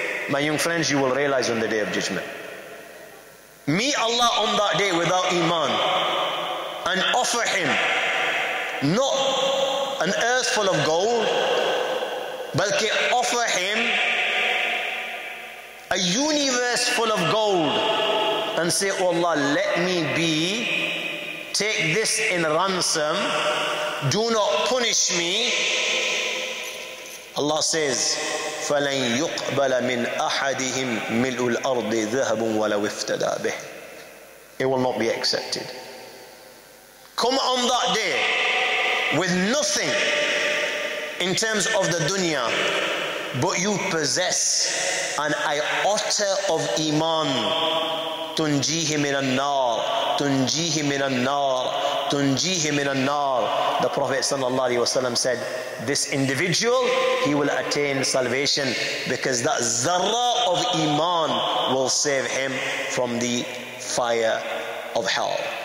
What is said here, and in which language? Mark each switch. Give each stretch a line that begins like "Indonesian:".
English: My young friends, you will realize on the day of judgment. Meet Allah on that day without iman and offer him not an earth full of gold, but offer him a universe full of gold and say, oh Allah, let me be, take this in ransom, do not punish me. Allah says,
Arabic: فَلَنْ يُقْبَلَ مِنْ أَحَدِهِمْ مِلْءُ الْأَرْضِ ذَهَبٌ وَلَوْ افْتَدَى بِهِ.
English: It will not be accepted. Come on that day with nothing in terms of the dunya, but you possess an iota of iman.
Arabic: تُنْجِيهِ مِنَ النَّارِ تُنْجِيهِ مِنَ النَّارِ
English: تُنْجِيهِ مِنَ النَّارِ. The Prophet sallallahu alaihi wasallam said, this individual, he will attain salvation because that zarra of iman will save him from the fire of hell.